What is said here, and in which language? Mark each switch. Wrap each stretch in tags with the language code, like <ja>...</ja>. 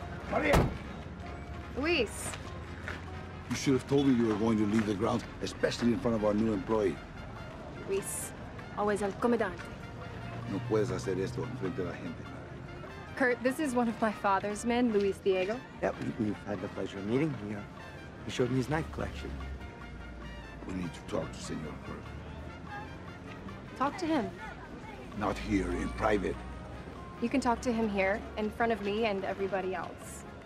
<en>Maria! Luis! You should have told me you were going to leave the grounds, especially in front of our new employee. Luis, always</en> <es>el comandante. No puedes hacer esto en frente a la gente.</es> <en>Kurt, this is one of my father's men, Luis Diego. Yeah, we've had the pleasure of meeting. He showed me his knife collection. We need to talk to Senor Kurt. Talk to him. Not here, in private. You can talk to him here, in front of me and everybody else.</en>